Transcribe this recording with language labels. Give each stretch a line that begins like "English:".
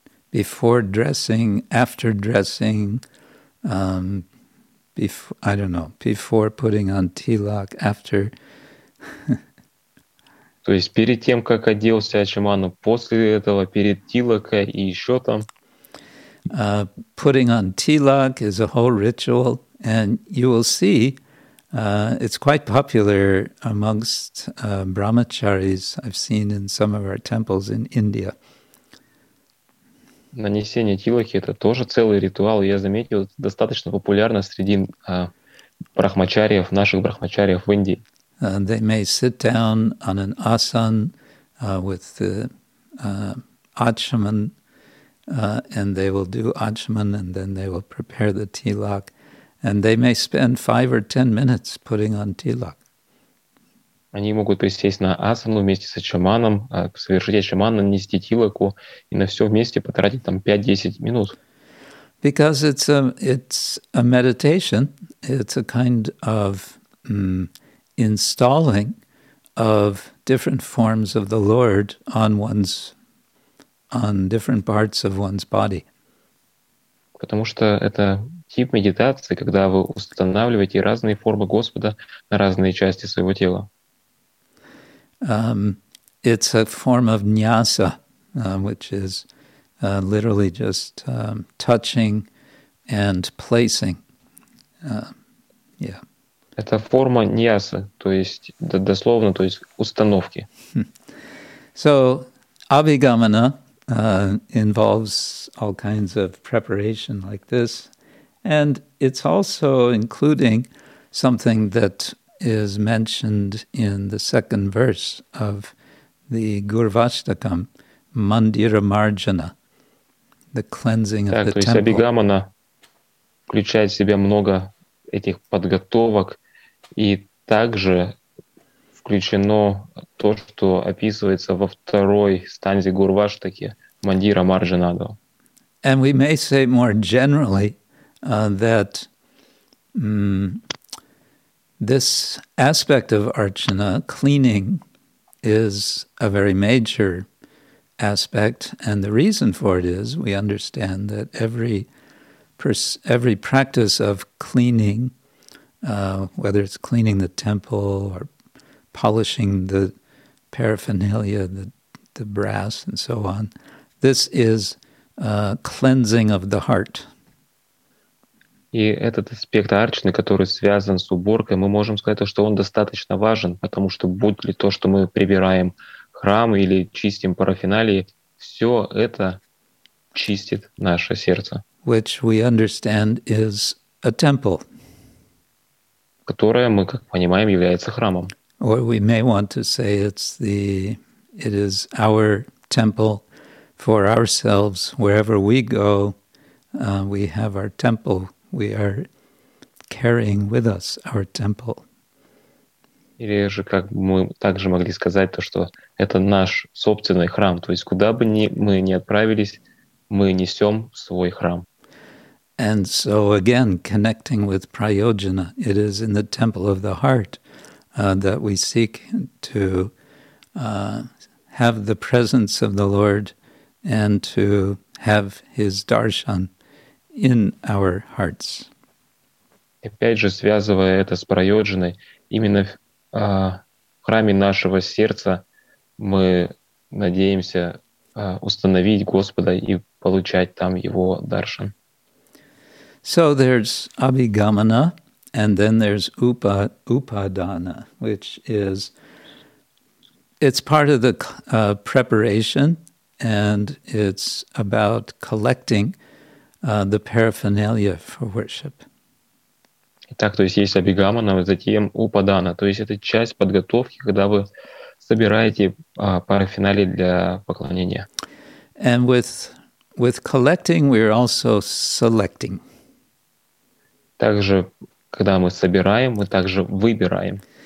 English: Before dressing, after dressing, I don't know, before putting on tilak, after.
Russian: То есть перед тем, как оделся ачаману, после этого, перед тилака и еще там.
English: Putting on tilak is a whole ritual, and you will see it's quite popular amongst brahmacharis I've seen in some of our temples in India.
Russian: Нанесение тилаки — это тоже целый ритуал, я заметил, достаточно популярно среди брахмачариев, наших брахмачариев в Индии.
English: They may sit down on an asan with the achaman, and they will do achaman, and then they will prepare the tilak, and they may spend 5 or 10 minutes putting on tilak.
Russian: Они могут присесть на асану вместе с ачаманом, совершить ачаман, нанести тилаку и на все вместе потратить там 5-10 минут.
English: Because it's a meditation, it's a kind of installing of different forms of the Lord on different parts of one's body.
Russian: Потому что это тип медитации, когда вы устанавливаете разные формы Господа на разные части своего тела.
English: It's a form of nyasa, which is literally just touching and placing.
Russian: Это форма ньяса, то есть дословно, то есть установки.
English: So abhigamana involves all kinds of preparation like this, and it's also including something that is mentioned in the second verse of the Gurvashtakam, Mandira Marjana, the cleansing of the temple.
Russian: Абхигамана включает в себя много этих подготовок, и также включено то, что описывается во второй станзе Гурваштаки, Мандира Марджана.
English: And we may say more generally that this aspect of archana, cleaning, is a very major aspect, and the reason for it is we understand that every practice of cleaning, whether it's cleaning the temple or polishing the paraphernalia, the brass, and so on, this is cleansing of the heart.
Russian: И этот аспект арчаны, который связан с уборкой, мы можем сказать, что он достаточно важен, потому что будь ли то, что мы прибираем храм или чистим парафиналии, все это чистит наше сердце.
English: Which we understand is a temple.
Russian: Которое, мы как понимаем, является храмом.
English: Or we may want to say it is our temple for ourselves. Wherever we go, we have our temple. We are carrying with us our temple.
Russian: Или же, как мы также могли сказать, то, что это наш собственный храм. То есть, куда бы мы ни отправились, мы несем свой храм.
English: And so, again, connecting with Prayojana, it is in the temple of the heart that we seek to have the presence of the Lord and to have His darshan in our hearts.
Russian: Опять же, связывая это с прайоджаной, именно в храме нашего сердца мы надеемся установить Господа и получать там Его даршан.
English: So there's abhigamana, and then there's upadana, which is, it's part of the preparation, and it's about collecting the paraphernalia for worship.
Russian: Итак, то есть есть абхигамана, затем упадана, то есть это часть подготовки, когда вы собираете параффиналии для поклонения.
English: And with collecting, we are also selecting.
Russian: Также, когда мы собираем, мы также выбираем.